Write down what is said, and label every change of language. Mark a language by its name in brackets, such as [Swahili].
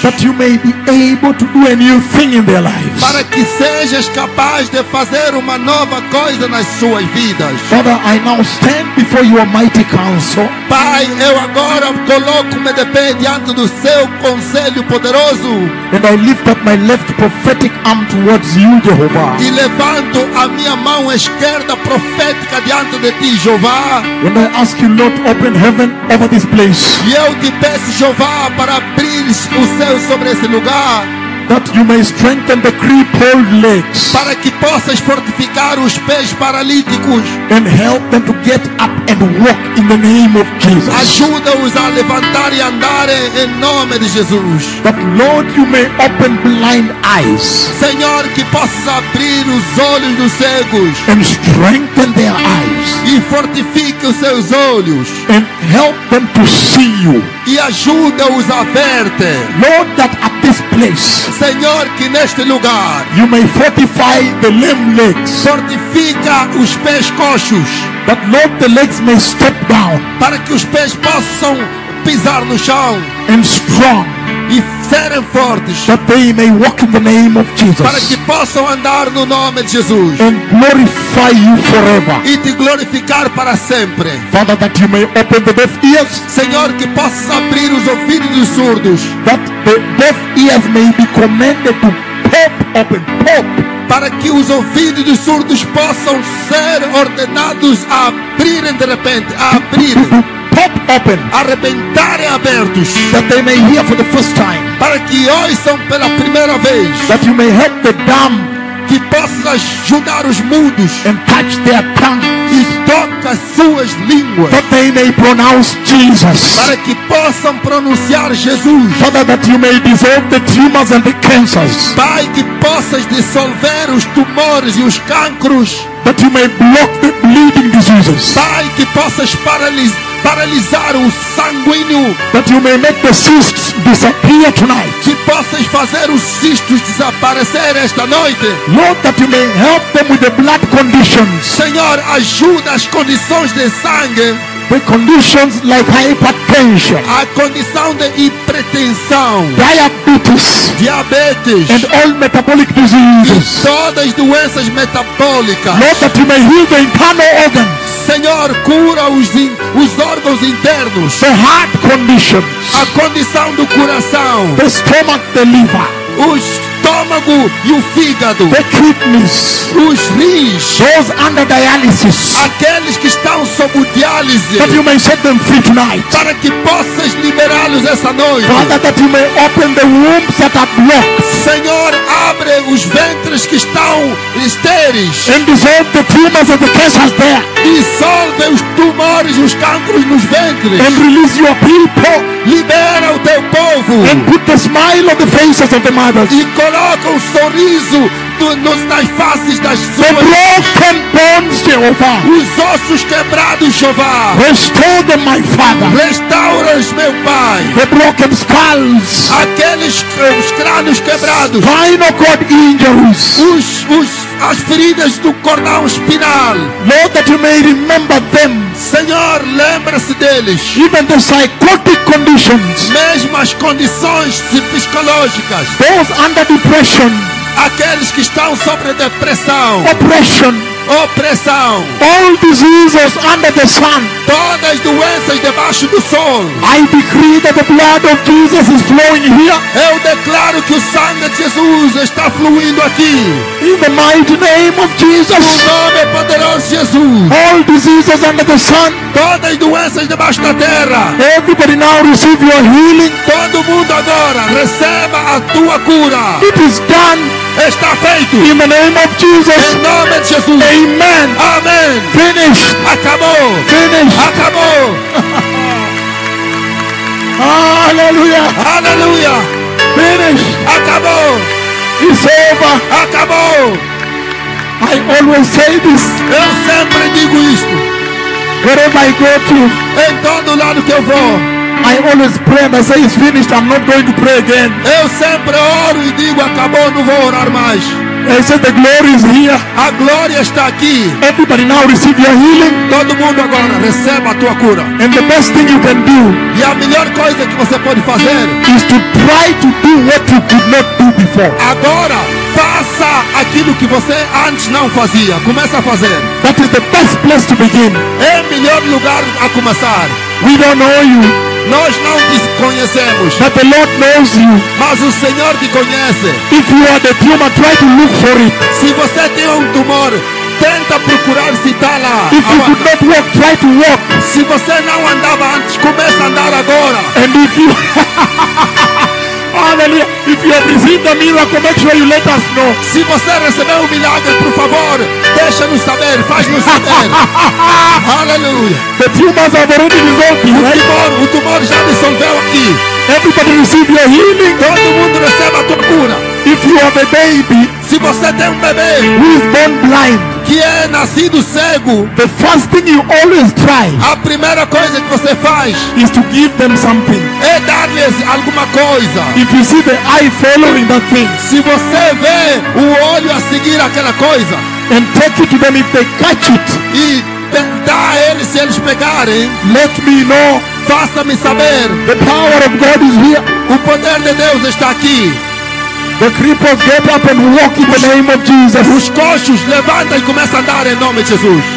[English] That you may be able to do a new thing in their lives. [Portuguese] Para que sejas capaz de fazer uma nova coisa nas suas vidas. [English] Father, I now stand before your mighty counsel. [Portuguese] Pai, eu agora coloco-me de pé diante do seu conselho poderoso. [English] And I lift up my left prophetic arm towards you, Jehovah. [Portuguese] E levanto a minha mão esquerda profética diante de ti, Jeová. [English] And I ask you, Lord, open heaven over this place. [Portuguese] E eu te peço, Jeová, para abrir o céu sobre esse lugar. [English] That you may strengthen the crippled legs. [Portuguese] Para que possas fortificar os pés paralíticos. [English] And help them to get up and walk in the name of Jesus. [Portuguese] Ajuda-os a levantar e andar em nome de Jesus. [English] That, Lord, you may open blind eyes. [Portuguese] Senhor, que possas abrir os olhos dos cegos. [English] And strengthen their eyes. [Portuguese] E fortifique os seus olhos. [English] And help them to see you. [Portuguese] E ajuda-os a ver-te. [English] Lord, that at this place, [Portuguese] Senhor, que neste lugar, [English] you may fortify the limb legs. [Portuguese] Fortifica os pés coxos. [English] That, Lord, the legs may step down. [Portuguese] Para que os pés possam pisar no chão. [English] And strong. [Portuguese] E serem fortes. [English] That they may walk in the name of Jesus. [Portuguese] Para que possam andar no nome de Jesus. [English] And glorify you forever. [Portuguese] E te glorificar para sempre. [English] Father, that you may open the deaf ears. [Portuguese] Senhor, que possas abrir os ouvidos dos surdos. [English] That the deaf ears may be commanded to pop open. Pop. [Portuguese] Para que os ouvidos dos surdos possam ser ordenados a abrirem de repente. A abrirem. [English] Open. [Portuguese] Arrebentar e abertos. [English] That they may hear for the first time. [Portuguese] Para que ouçam pela primeira vez. [English] That you may help the dumb. [Portuguese] Que possas ajudar os mudos. [English] And touch their tongues. [Portuguese] E toca suas línguas. [English] That they may pronounce Jesus. [Portuguese] Para que possam pronunciar Jesus. [English] Father, that you may dissolve the tumors and the cancers. [Portuguese] Pai, que possas dissolver os tumores e os cancros. [English] That you may block the bleeding diseases. [Portuguese] Pai, que possas paralisar o sanguíneo. [English] That you may make the cysts disappear tonight. [Portuguese] Que possas fazer os cistos desaparecer esta noite. [English] Lord, that you may help them with the blood conditions. [Portuguese] Senhor, ajuda as condições de sangue. [English] The conditions like hypertension. [Portuguese] A condição de hipertensão. [English] Diabetes. [Portuguese] Diabetes. [English] And all metabolic diseases. [Portuguese] E todas as doenças metabólicas. [English] Lord, that you may heal the internal organs. [Portuguese] Senhor, cura os órgãos internos. [English] The heart conditions. [Portuguese] A condição do coração. [English] The stomach, the liver. [Portuguese] Os estômago e o fígado, [English] the kidneys, [Portuguese] os rins, [English] those under dialysis, [Portuguese] aqueles que estão sob diálise, [English] that you may set them free tonight, [Portuguese] para que possas liberá-los essa noite. [English] Father, that you may open the wombs that are blocked, [Portuguese] Senhor, abre os ventres que estão estéreis, [English] and dissolve the tumors and the cancers there, [Portuguese] dissolve os tumores e os cancros nos ventres, [English] and release your people, [Portuguese] libera o teu povo, [English] and put the smile on the faces of the mothers, [Portuguese] e coloca um sorriso nas faces das suas, [English] the broken bones, Jehová, [Portuguese] os ossos quebrados, Jeová, [English] restore them, my Father, [Portuguese] restaura-os, meu Pai, [English] the broken skulls, [Portuguese] aqueles os crânios quebrados, [English] spinal cord injuries, [Portuguese] as feridas do cordão espinal, [English] Lord, that you may remember them, [Portuguese] Senhor, lembra-se deles, [English] even the psychotic conditions, [Portuguese] mesmo as condições psicológicas, [English] those under depression, [Portuguese] aqueles que estão sobre depressão, [English] oppression, all diseases under the sun, [Portuguese] todas as doenças debaixo do sol, [English] I decree that the blood of Jesus is flowing here, [Portuguese] eu declaro que o sangue de Jesus está fluindo aqui, [English] in the mighty name of Jesus, [Portuguese] no nome poderoso de Jesus, [English] all diseases under the sun, [Portuguese] todas as doenças debaixo da terra, [English] everybody now receive your healing, [Portuguese] todo mundo agora receba a tua cura, [English] it is done, [Portuguese] está feito, [English] in the name of Jesus, [Portuguese] em nome de Jesus, [English] amen, [Portuguese] amen, [English] finished, [Portuguese] acabou, [English] finished, [Portuguese] acabou. Aleluia, aleluia, [English] finished, [Portuguese] acabou, [English] it's over, [Portuguese] acabou. [English] I always say this, [Portuguese] eu sempre digo isto, [English] wherever I go to, [Portuguese] em todo lado que eu vou, [English] I always pray and I say it's finished, I'm not going to pray again. [Portuguese] Eu sempre oro e digo acabou, não vou orar mais. [English] He said the glory is here. [Portuguese] A glória está aqui. [English] Everybody now receive your healing. [Portuguese] Todo mundo agora receba a tua cura. [English] And the best thing you can do, [Portuguese] e a melhor coisa que você pode fazer, [English] is to try to do what you could not do before. [Portuguese] Agora faça aquilo que você antes não fazia. Começa a fazer. [English] That is the best place to begin. [Portuguese] É o melhor lugar a começar. [English] We don't know you. [Portuguese] Nós não te conhecemos. [English] But the Lord knows you. [Portuguese] Mas o Senhor te conhece. [English] If you are the tumor, try to look for it. [Portuguese] Se você tem tumor, tenta procurar se está lá. [English] If you could not walk, try to walk. [Portuguese] Se você não andava antes, comece a andar agora. [English] And if you hallelujah. If you have received a miracle, make sure you let us know. [Portuguese] Se você recebeu um milagre, por favor, deixa-nos saber, faz-nos saber. [English] Hallelujah. The tumors have already dissolved, right? [Portuguese] O tumor já dissolveu aqui. [English] Everybody receive your healing. [Portuguese] Todo mundo receba a tua cura. [English] If you have a baby, [Portuguese] se você tem bebê, [English] who is born blind, [Portuguese] que é nascido cego, [English] the first thing you always try, [Portuguese] a primeira coisa que você faz, [English] is to give them something, [Portuguese] é dar-lhes alguma coisa. [English] If you see the eye following that thing, [Portuguese] se você vê o olho a seguir aquela coisa, [English] and take it to them if they catch it, [Portuguese] e tentar eles se eles pegarem, [English] let me know, [Portuguese] faça-me saber. [English] The power of God is here. [Portuguese] O poder de Deus está aqui. [English] The cripples get up and walk in the name of Jesus. [Portuguese] Os coxos levanta e começa a andar em nome de Jesus.